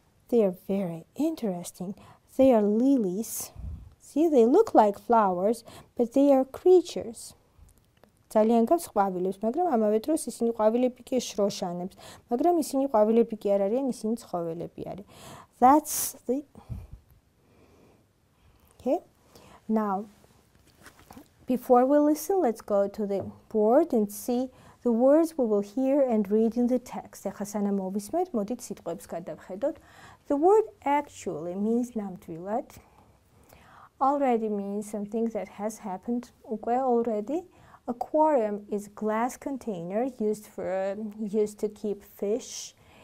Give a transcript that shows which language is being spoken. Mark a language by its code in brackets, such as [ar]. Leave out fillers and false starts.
[en] They are very interesting. They are lilies. See, they look like flowers, but they are creatures. [ka] ძალიან გავს ყვავილებს, მაგრამ ამავე დროს ისინი ყვავილები კი შროშანებს, მაგრამ ისინი ყვავილები კი არ არიან, ისინი ცხოველები არიან. [en] That's the Okay. Now, before we listen, let's go to the board and see the words we will hear and read in the text. [ka] ახლა სანამ მოვისმენთ, მოდით სიტყვებს გადავხედოთ. [en] The word actually means [ka] ნამდვილად. [en] Already means something that has happened. Okay, already. Aquarium is a glass container used to keep fish.